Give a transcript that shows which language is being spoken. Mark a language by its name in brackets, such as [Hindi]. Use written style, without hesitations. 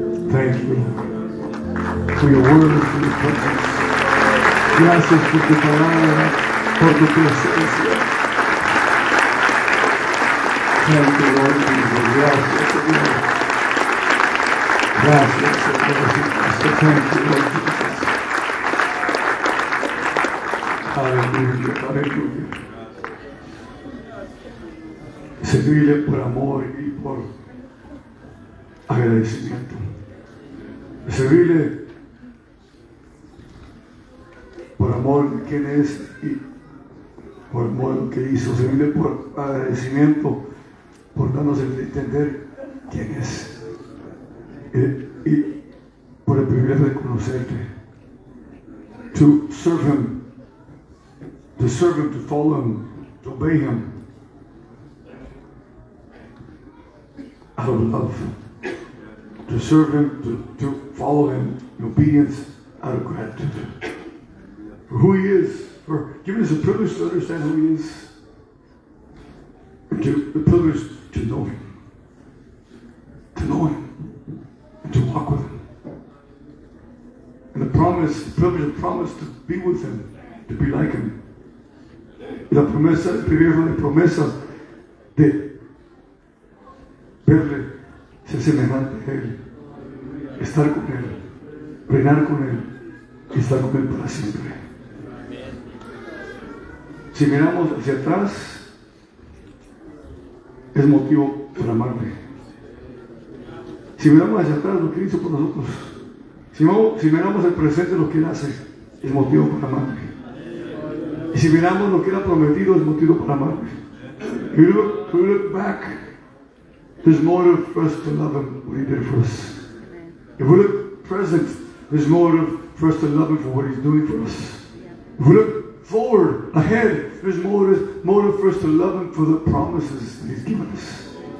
[English] Thank you for your word, for your presence. [Spanish] Gracias por tu palabra, por tu presencia. [English] Thank you, Lord Jesus. [Spanish] Gracias, Señor. Gracias, Señor Jesucristo. [English] Thank you, Lord Jesus. [Spanish] Aleluya, aleluya. Servirle por amor y por agradecimiento. Servirle por amor de quién es y por amor lo que hizo. Servirle por agradecimiento, por darnos el entender quién es. Y por el privilegio de conocerte. [English] To serve him. To serve him, to follow him, to obey him. Out of love. To serve him, to follow him in obedience, out of gratitude. For who he is, for giving us the privilege to understand who he is. And to the privilege to know him. To know him. And to walk with him. And the promise, the privilege and promise to be with him, to be like him. [Spanish] La promesa, el privilegio de promesa de verle, ser semejante a él, estar con él, reinar con él y estar con él para siempre. Si miramos hacia atrás, es motivo para amarle. Si miramos hacia atrás lo que hizo por nosotros, si miramos el presente lo que él hace, es motivo para amarle. Y si miramos lo que era prometido, es motivo para amarme. [English] If we look back, there's motive for us to love him what he did for us. If we look present, there's motive for us to love him for what he's doing for us. If we look forward, ahead, there's motive for us to love him for the promises that he's given us.